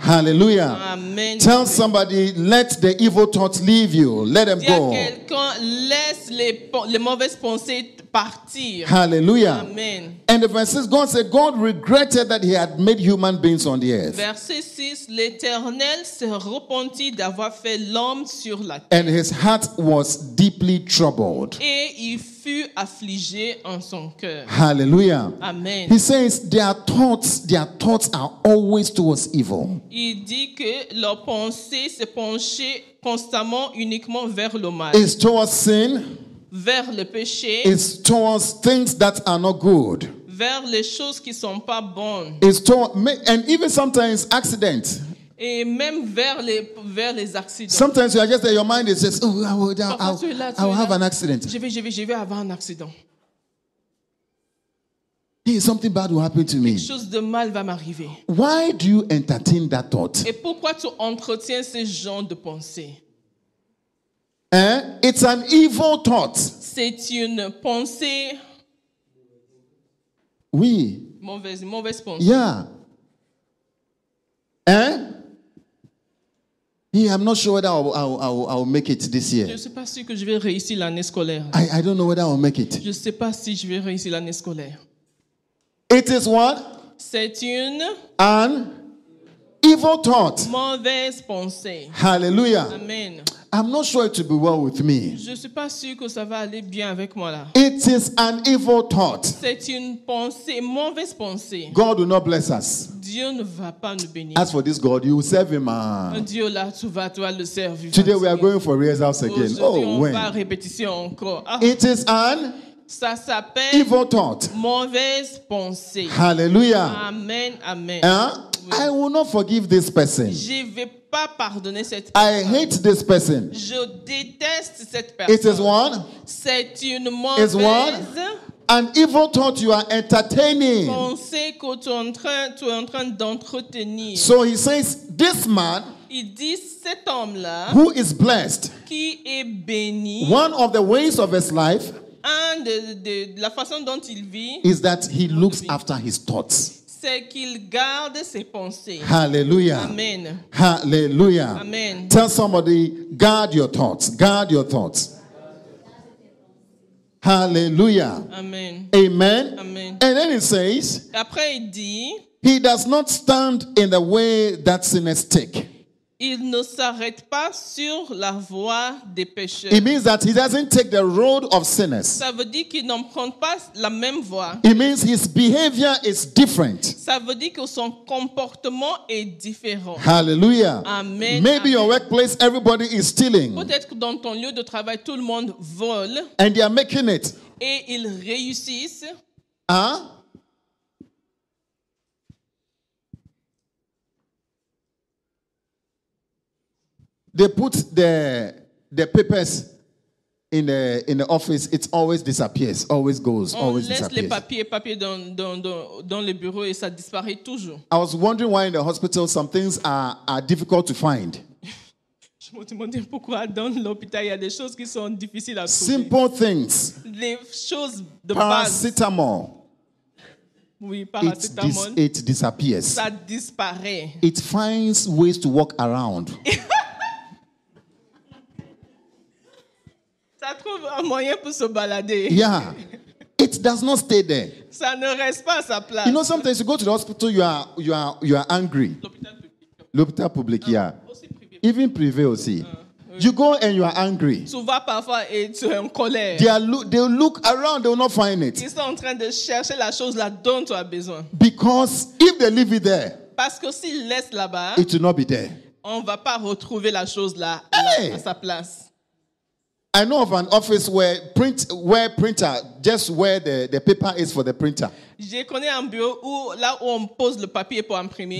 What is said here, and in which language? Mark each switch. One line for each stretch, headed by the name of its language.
English: Hallelujah. Amen. Tell somebody, let the evil thoughts leave you. Let them go.
French: Quelqu'un, laisse les mauvaises pensées partir.
English: Hallelujah. Amen. And the verse says, God said, God regretted that he had made human beings on the earth.
French: Verset 6, l'Éternel se repentit d'avoir fait l'homme sur la terre.
English: And his heart was deeply troubled.
French: Et il fut affligé en son cœur.
English: Hallelujah. Amen. He says, their thoughts are always towards evil.
French: Il dit que leurs pensées se penchaient constamment uniquement vers le mal.
English: It's towards sin.
French: Vers le péché.
English: It's towards things that are not good.
French: Vers les choses qui sont pas bonnes.
English: It's towards, and even sometimes accidents.
French: Et même vers les accidents.
English: Sometimes you are just there, your mind is just, oh, I will have an accident.
French: Je vais avoir un accident.
English: Hey, something bad will happen to me.
French: Quelque chose de mal va m'arriver.
English: Why do you entertain that thought?
French: Et pourquoi tu entretiens ce genre de pensée?
English: It's an evil thought.
French: C'est une pensée. Oui. Mauvaise pensée.
English: Yeah. Yeah, I'm not sure whether I'll make it this year.
French: Je ne sais pas si je vais réussir l'année scolaire.
English: I don't know whether I'll make it.
French: Je ne sais pas si je vais réussir l'année scolaire.
English: It is what?
French: C'est une.
English: An evil thought.
French: Mauvaise pensée.
English: Hallelujah. Amen. I'm not sure it will be well with me.
French: Je suis pas sûr que ça va aller bien avec moi là.
English: It is an evil thought.
French: C'est une pensée, mauvaise pensée.
English: God will not bless us.
French: Dieu ne va pas nous bénir.
English: As for this God, you will serve him.
French: Dieu là, tu vas toi le servir.
English: Today we are going for rehearsals again. Oh, when?
French: On va répétition encore.
English: It is an.
French: Ça s'appelle.
English: Evil thought.
French: Mauvaise pensée.
English: Hallelujah. Amen, amen. I will not forgive this person.
French: Je vais pas pardonner cette
English: personne. I hate this person.
French: Je déteste cette personne.
English: It is one.
French: C'est une mauvaise.
English: It's one. An evil thought you are entertaining.
French: Pensée que tu es en train d'entretenir.
English: So he says, this man.
French: Il dit cet homme là.
English: Who is blessed?
French: Qui est béni?
English: One of the ways of his life.
French: Un de la façon dont il vit.
English: Is that he looks after his thoughts.
French: C'est qu'il garde ses pensées.
English: Hallelujah. Amen. Hallelujah. Amen. Tell somebody, guard your thoughts. Guard your thoughts. Hallelujah. Amen. Amen. Amen. And then it says,
French: après il dit,
English: he does not stand in the way that sinners take.
French: Il ne s'arrête pas sur la voie des pécheurs.
English: It means that he doesn't take the road of sinners.
French: Ça veut dire qu'il n'emprunte pas la même voie.
English: It means his behavior is different.
French: Ça veut dire que son comportement est différent.
English: Hallelujah. Amen. Maybe Your workplace, everybody is stealing.
French: Peut-être que dans ton lieu de travail, tout le monde vole.
English: And they are making it.
French: Et ils réussissent.
English: They put the papers in the office, it always disappears, always goes, on always
French: laisse
English: disappears.
French: Les papiers dans les bureaux et ça disparaît toujours.
English: I was wondering why in the hospital some things are difficult to find.
French: Je me demandais pourquoi dans l'hôpital il y a des choses qui sont difficiles à trouver.
English: Simple things.
French: Les choses de paracetamol. Oui, paracetamol.
English: It disappears.
French: Ça disparaît.
English: It finds ways to walk around.
French: Ça trouve un moyen pour se balader.
English: Yeah, it does not stay there.
French: Ça ne reste pas à sa place.
English: You know, sometimes you go to the hospital, you are angry.
French: L'hôpital public,
English: yeah. Even
French: privé aussi.
English: You go and you are angry.
French: Tu vas parfois et tu es en colère.
English: They look around, they will not find it.
French: Ils sont en train de chercher la chose là dont tu as besoin.
English: Because if they leave it there,
French: parce que s'ils laissent là-bas,
English: it will not be there.
French: On va pas retrouver la chose là à sa place.
English: I know of an office where the paper is for the printer.
French: Je connais un bureau là où on pose le papier pour imprimer.